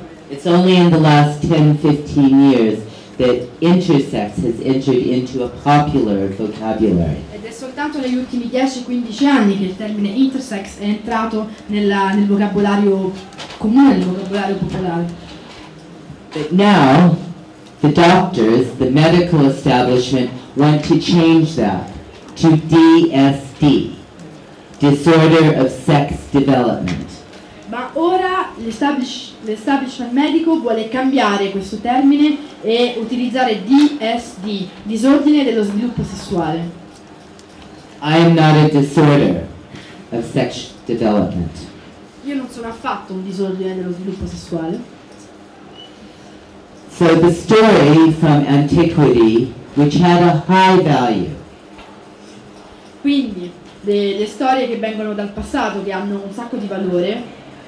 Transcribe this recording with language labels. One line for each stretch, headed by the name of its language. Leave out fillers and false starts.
English: It's only in the last 10-15 years that intersex has entered into a popular vocabulary.
Italian: Ed è soltanto negli ultimi 10-15 anni che il termine intersex è entrato nel vocabolario comune, nel vocabolario popolare.
English: But now, the doctors, the medical establishment, want to change that to DSD, disorder of sex development.
Italian: Ma ora l'establishment medico vuole cambiare questo termine e utilizzare DSD, disordine dello sviluppo sessuale.
English: I am not a disorder of sex development.
Italian: Io non sono affatto un disordine dello sviluppo sessuale.
English: So the story from antiquity, which had a high value.
Italian: Quindi le storie che vengono dal passato che hanno un sacco di valore.